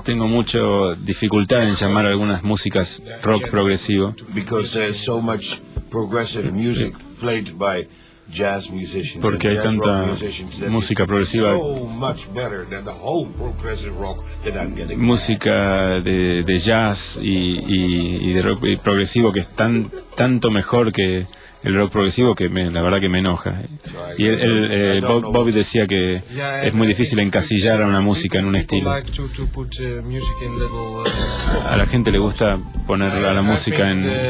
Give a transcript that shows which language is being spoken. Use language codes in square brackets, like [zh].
[es] Y tengo mucha dificultad en llamar algunas músicas rock progresivo. [en] Because there's so much progressive music played by jazz musicians. [es] Porque hay tanta música progresiva. [en] So much better than the whole progressive rock that I'm getting. [es] Música de jazz y de rock y progresivo que es tanto mejor que el rock progresivo, que la verdad que me enoja. Y Bobby decía que es muy difícil encasillar a una música en un estilo. A la gente le gusta poner a la música en...